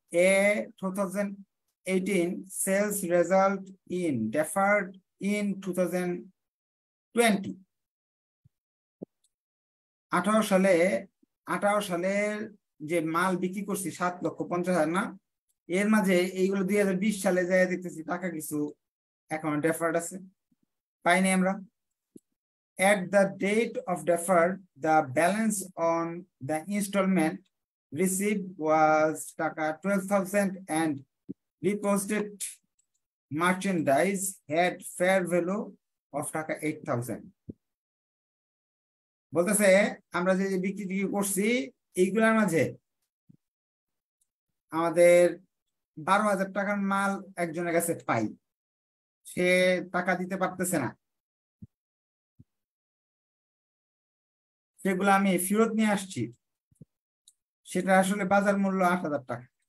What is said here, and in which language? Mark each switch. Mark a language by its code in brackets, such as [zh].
[en] a 2018 sales result in deferred in 2020, [bn] 2018 সালের যে মাল বিক্রি করছি 7,50,000 না, এর মাঝে এইগুলো 2020 সালে যাই দেখতেছি টাকা কিছু এখন ডেফার্ড আছে, পাইনি আমরা। [en] At the date of deferred, the balance on the installment received was taka 12,000 and deposited merchandise had fair value of taka 8,000. [bn] বলতেছে আমরা যে বিক্রি টিক্রি করছি এইগুলার মাঝে আমাদের 12,000 টাকার মাল একজনের কাছে পাই, সে টাকা দিতে পারতেছে না, সেগুলো আমি ফেরত নিয়ে আসছি, সেটা আসলে বাজার মূল্য 8,000 টাকা।